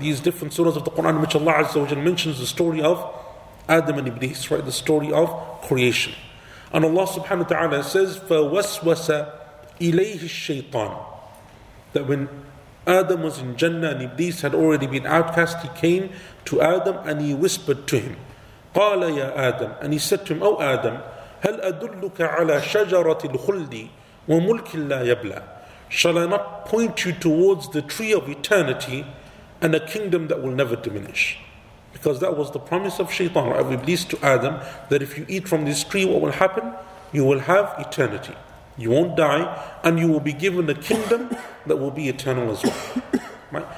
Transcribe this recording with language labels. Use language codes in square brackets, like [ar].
[en] These different surahs of the Quran in which Allah Azza wa Jal mentions the story of Adam and Iblis, right? The story of creation. And Allah subhanahu wa ta'ala says, [ar] فَوَسْوَسَ إِلَيْهِ الشَّيْطَانِ. [en] That when Adam was in Jannah and Iblis had already been outcast, he came to Adam and he whispered to him. [ar] قَالَ يَا آدَمُ. [en] And he said to him, O Adam, [ar] هَلْ أَدُلُّكَ عَلَى شَجَرَةِ الْخُلْدِ وَمُلْكٍ لَا يَبْلَى. [en] Shall I not point you towards the tree of eternity and a kingdom that will never diminish? Because that was the promise of Shaitan, of Iblis to Adam, that if you eat from this tree, what will happen? You will have eternity. You won't die, and you will be given a kingdom that will be eternal as well. Right?